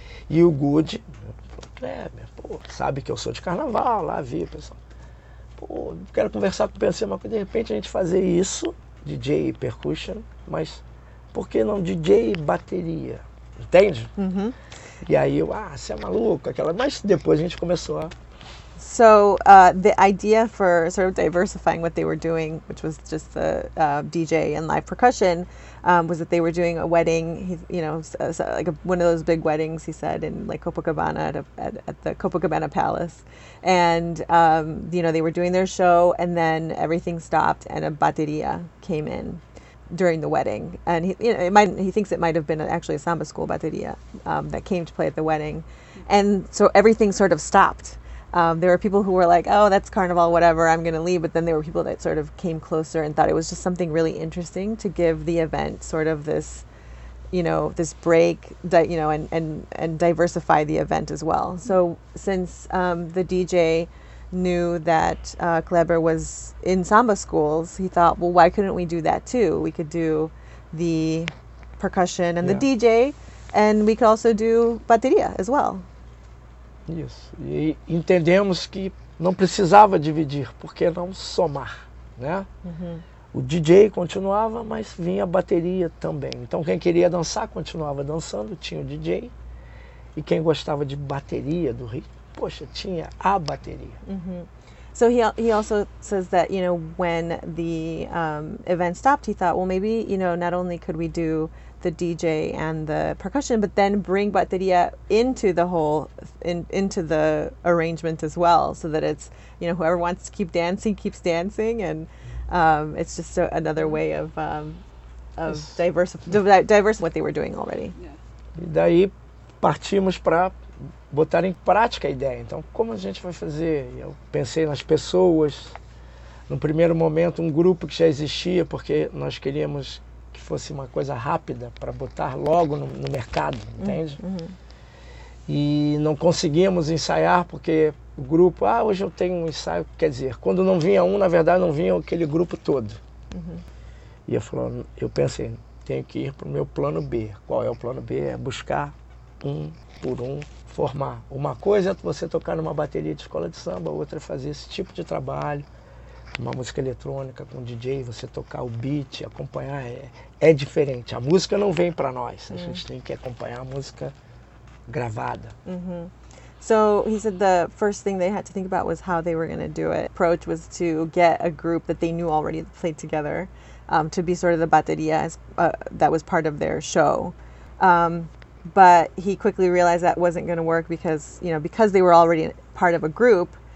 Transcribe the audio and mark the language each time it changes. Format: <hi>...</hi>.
<pt>E o Good, Kleber, pô, sabe que eu sou de carnaval, lá vi, pessoal. Pô, quero conversar com o PC, mas de repente a gente fazer isso, DJ e percussion, mas por que não DJ e bateria? Entende? Uhum. E aí eu, você é maluco, aquela, mas depois a gente começou a...</pt> <en>So, the idea for sort of diversifying what they were doing, which was just the DJ and live percussion, was that they were doing a wedding, one of those big weddings, he said, in like Copacabana at the Copacabana Palace. And, they were doing their show and then everything stopped and a bateria came in during the wedding. And he thinks it might have been actually a samba school bateria that came to play at the wedding. And so everything sort of stopped. There were people who were like, oh, that's carnival, whatever, I'm going to leave. But then there were people that sort of came closer and thought it was just something really interesting to give the event sort of this, you know, this break, that, you know, and diversify the event as well. So since the DJ knew that Kleber was in samba schools, he thought, well, why couldn't we do that too? We could do the percussion and the DJ, and we could also do bateria as well.</en> <pt>Isso. E entendemos que não precisava dividir, por que não somar, né? Uhum. O DJ continuava, mas vinha a bateria também. Então quem queria dançar continuava dançando, tinha o DJ. E quem gostava de bateria, do ritmo, poxa, tinha a bateria. Uhum.</pt> <en>So he also says that, you know, when the event stopped, he thought, well, maybe, you know, not only could we do the DJ and the percussion, but then bring bateria into the whole, into the arrangement as well, so that it's, you know, whoever wants to keep dancing keeps dancing, and it's just another way of diversifying what they were doing already. Yeah.</en> <pt>E daí partimos para botar em prática a ideia. Então, como a gente vai fazer? Eu pensei nas pessoas, no primeiro momento, um grupo que já existia, porque nós queríamos que fosse uma coisa rápida para botar logo no mercado, entende? Uhum. E não conseguimos ensaiar porque o grupo, hoje eu tenho um ensaio, quer dizer, quando não vinha um, na verdade não vinha aquele grupo todo. Uhum. E eu pensei, tenho que ir para o meu plano B. Qual é o plano B? É buscar um por um, formar. Uma coisa é você tocar numa bateria de escola de samba, outra é fazer esse tipo de trabalho. Uma música eletrônica com DJ, você tocar o beat, acompanhar, é diferente. A música não vem para nós, a gente tem que acompanhar a música gravada. Mm-hmm.</pt> <en>So he said the first thing they had to think about was how they were going to do it. Approach was to get a group that they knew already played together to be sort of the bateria that was part of their show. But he quickly realized that wasn't going to work because they were already part of a group.</en>